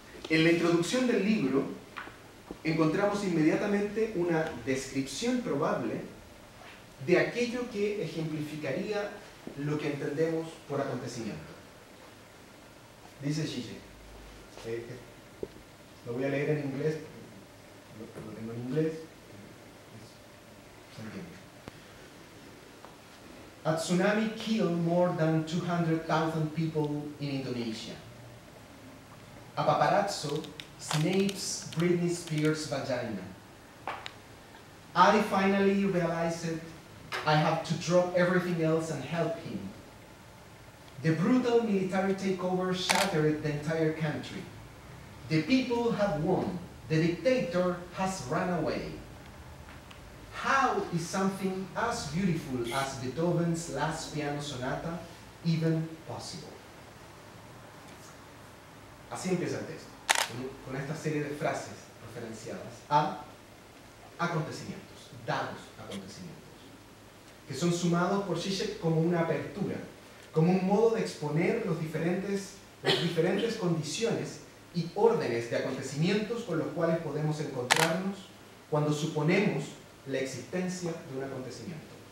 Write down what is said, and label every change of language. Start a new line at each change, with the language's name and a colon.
Spanish: En la introducción del libro encontramos inmediatamente una descripción probable de aquello que ejemplificaría lo que entendemos por acontecimiento. Dice Žižek, lo voy a leer en inglés, lo tengo en inglés, se entiende.
English: A tsunami killed more than 200,000 people in Indonesia. A paparazzo snapes Britney Spears' vagina. Adi finally realized I have to drop everything else and help him. The brutal military takeover shattered the entire country. The people have won. The dictator has run away. How is something as beautiful as Beethoven's last piano sonata even possible?
Spanish: Así empieza el texto, con esta serie de frases referenciadas a acontecimientos, dados acontecimientos, que son sumados por Žižek como una apertura, como un modo de exponer las diferentes condiciones y órdenes de acontecimientos con los cuales podemos encontrarnos cuando suponemos la existencia de un acontecimiento.